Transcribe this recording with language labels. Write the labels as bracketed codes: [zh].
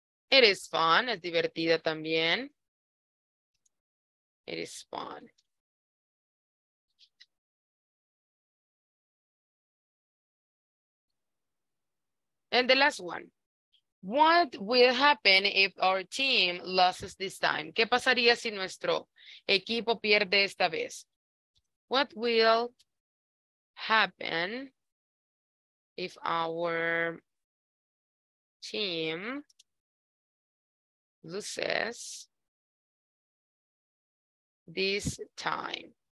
[en] It is fun. [es] Es divertida también. [en] It is fun. And the last one. What will happen if our team loses this time? [es] ¿Qué pasaría si nuestro equipo pierde esta vez? [en] What will happen if our team loses this time?